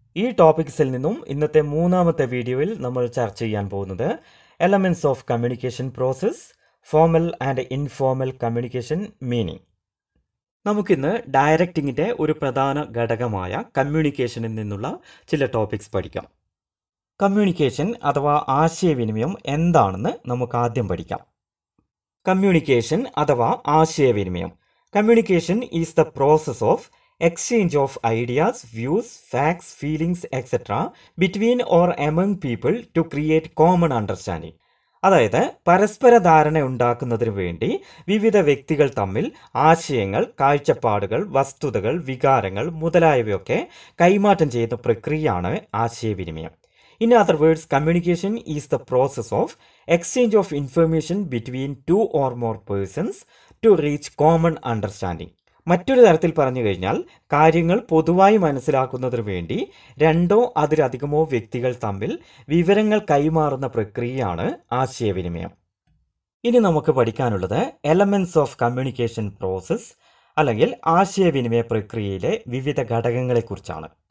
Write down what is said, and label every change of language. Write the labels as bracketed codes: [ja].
[ml] ഈ ടോപ്പിക്സിൽ നിന്നും ഇന്നത്തെ മൂന്നാമത്തെ വീഡിയോയിൽ നമ്മൾ ചർച്ച ചെയ്യാൻ പോകുന്നത് elements of communication process, formal and informal communication meaning. നമുക്കിന്ന് ഡയറക്റ്റിംഗിൻ്റെ ഒരു പ്രധാന ഘടകമായ കമ്മ്യൂണിക്കേഷനിൽ നിന്നുള്ള ചില ടോപ്പിക്സ് പഠിക്കാം. കമ്മ്യൂണിക്കേഷൻ അഥവാ ആശയവിനിമയം എന്താണെന്ന് നമുക്ക് ആദ്യം പഠിക്കാം. കമ്മ്യൂണിക്കേഷൻ അഥവാ ആശയവിനിമയം. [en] Communication is the process of exchange of ideas, views, facts, feelings, etc. between or among people to create common understanding. [ml] അതായത് പരസ്പര ധാരണ ഉണ്ടാക്കുന്നതിനു വേണ്ടി വിവിധ വ്യക്തികൾ തമ്മിൽ ആശയങ്ങൾ, കാഴ്ചപ്പാടുകൾ, വസ്തുതകൾ, വികാരങ്ങൾ മുതലായവയൊക്കെ കൈമാറ്റം ചെയ്യുന്ന പ്രക്രിയയാണ് ആശയവിനിമയം. [en] In other words, communication is the process of exchange of information between two or more persons to reach common understanding. [ml] മറ്റൊരു തരത്തിൽ പറഞ്ഞു കഴിഞ്ഞാൽ കാര്യങ്ങൾ പൊതുവായി മനസ്സിലാക്കുന്നതിന് വേണ്ടി രണ്ടോ അതിലധികമോ വ്യക്തികൾ തമ്മിൽ വിവരങ്ങൾ കൈമാറുന്ന പ്രക്രിയയാണ് ആശയവിനിമയം. ഇനി നമുക്ക് പഠിക്കാനുള്ളത് എലമെൻസ് ഓഫ് കമ്മ്യൂണിക്കേഷൻ പ്രോസസ്, അല്ലെങ്കിൽ ആശയവിനിമയ പ്രക്രിയയിലെ വിവിധ ഘടകങ്ങളെക്കുറിച്ചാണ്.